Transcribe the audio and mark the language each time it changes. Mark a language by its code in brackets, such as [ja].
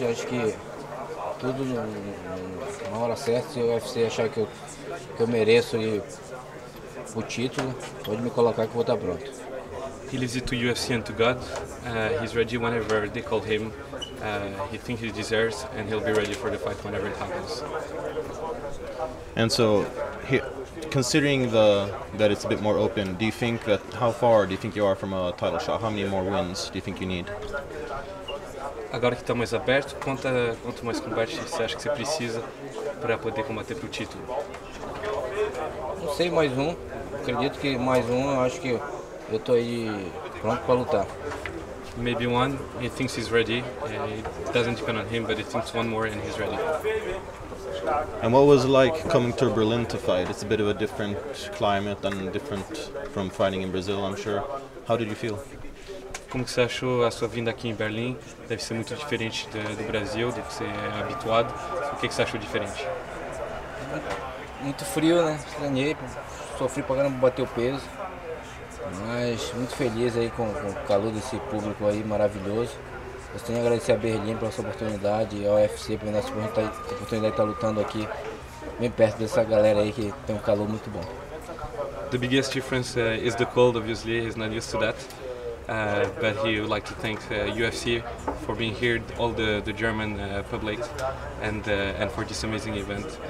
[pt] Eu acho que tudo na hora certa, se o UFC achar que eu mereço o título, pode me colocar que eu vou estar pronto. [en] He leaves it to UFC and to God. He's ready whenever they call him. He thinks he deserves, and he'll be ready for the fight whenever it happens. And so, considering that it's a bit more open, do you think that how far do you think you are from a title shot? How many more wins do you think you need? [pt] Agora que está mais aberto, quanto mais combate você acha que você precisa para poder combater para o título? Não sei, mais um. Acredito que mais um, eu acho que eu estou aí pronto para lutar. [en] Maybe one, he thinks he's ready. It doesn't depend on him, but he thinks one more and he's ready. And what was it like coming to Berlin to fight? It's a bit of a different climate and different from fighting in Brazil, I'm sure. How did you feel? [pt] Como que você achou a sua vinda aqui em Berlim? Deve ser muito diferente do Brasil, deve ser habituado. O que que você achou diferente? Muito frio, né? Estranhei, sofri pra caramba bater o peso. Mas muito feliz aí com o calor desse público aí maravilhoso. Eu tenho a agradecer a Berlim pela sua oportunidade e ao UFC por nossa oportunidade de estar lutando aqui bem perto dessa galera aí que tem um calor muito bom. [en] The biggest difference is the cold, obviously. He's not used to that. But he would like to thank UFC for being here, all the German public, and for this amazing event.